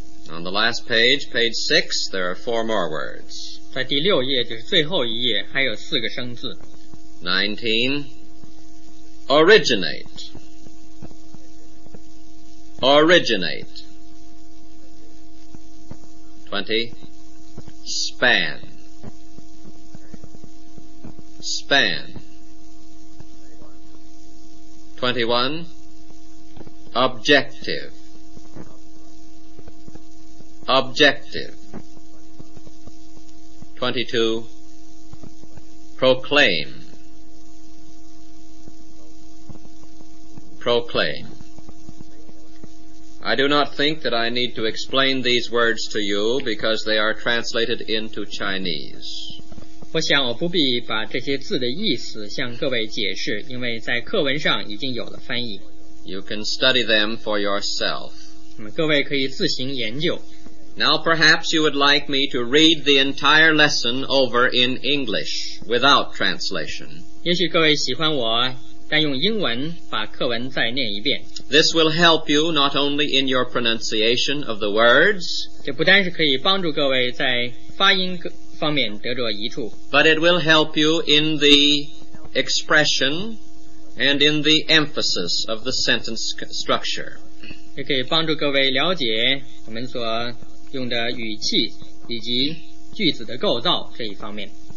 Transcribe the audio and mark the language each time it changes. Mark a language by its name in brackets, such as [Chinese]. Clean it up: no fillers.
[English] On the last page, page 6, there are 4 more words. [Chinese] 在第六页，就是最后一页，还有四个生字。 [English] 19. Originate. Originate. 20. Span. Span. 21. Objective. Objective. 22. Proclaim. Proclaim. I do not think that I need to explain these words to you because they are translated into Chinese. [Chinese] 我想我不必把这些字的意思向各位解释，因为在课文上已经有了翻译。 [English] You can study them for yourself. [Chinese] 那么各位可以自行研究。 [English] Now perhaps you would like me to read the entire lesson over in English without translation. [Chinese] 也许各位喜欢我但用英文把课文再念一遍。 [English] This will help you not only in your pronunciation of the words, [Chinese] 这不但是可以帮助各位在发音方面得着益处， [English] but it will help you in the expression and in the emphasis of the sentence structure. [Chinese] 也可以帮助各位了解我们所用的语气以及句子的构造这一方面。